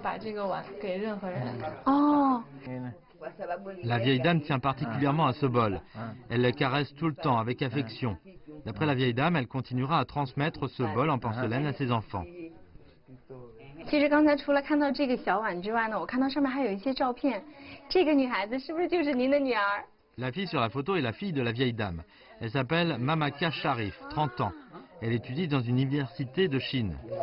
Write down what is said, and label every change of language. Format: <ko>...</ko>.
<zh>她妈妈把这个小杯子给了她，然后跟她说，这个东西很重要，一定要好好的保护它，保存它，不要把这个碗给任何人。哦。</zh> <fr>La vieille dame tient particulièrement à ce bol. Elle le caresse tout le temps avec affection. D'après la vieille dame, elle continuera à transmettre ce bol en porcelaine à ses enfants.</fr> <zh>其实刚才除了看到这个小碗之外呢，我看到上面还有一些照片。这个女孩子是不是就是您的女儿？</zh> <fr>La fille sur la photo est la fille de la vieille dame. Elle s'appelle Mamaka Sharif, 30 ans. Elle étudie dans une université de Chine.</fr>